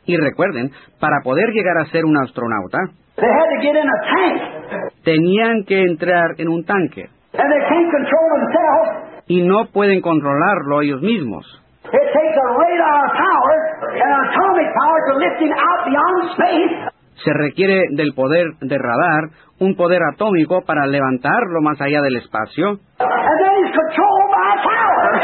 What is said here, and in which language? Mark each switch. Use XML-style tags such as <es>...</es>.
<es>Y recuerden, para poder llegar a ser un astronauta,</es> <en>they had to get in a tank.</en> <es>Tenían que entrar en un tanque.</es> <en>And they can't control themselves.</en> <es>Y no pueden controlarlo ellos mismos.</es> <en>It takes a radar power, an atomic power, to lift him out beyond space.</en> <es>Se requiere del poder de radar, un poder atómico para levantarlo más allá del espacio.</es> <en>And then he's controlled by a tower.</en>